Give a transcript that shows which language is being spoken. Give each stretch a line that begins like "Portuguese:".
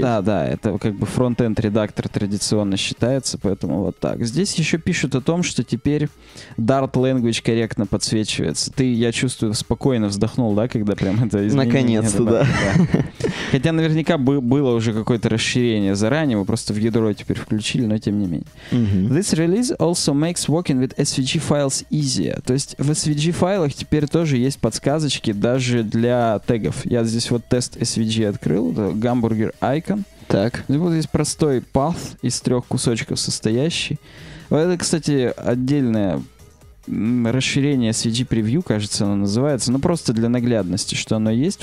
Russian: Да, да, это как бы фронт-энд редактор традиционно считается, поэтому вот так. Здесь еще пишут о том, что теперь Dart Language корректно подсвечивается. Ты, я чувствую, спокойно вздохнул, да, когда прям это изменение... Наконец-то, да. Хотя наверняка было уже какое-то расширение заранее, мы просто в ядро теперь включили, но тем не менее.
English: This release also makes working with SVG files easier.
Russian: То есть в SVG файлах теперь тоже есть подсказочки даже для тегов. Я здесь вот тест SVG открыл, это гамбургер icon. Так. Вот здесь простой path из трех кусочков состоящий. Это, кстати, отдельное расширение SVG preview, кажется, оно называется. Ну, просто для наглядности, что оно есть.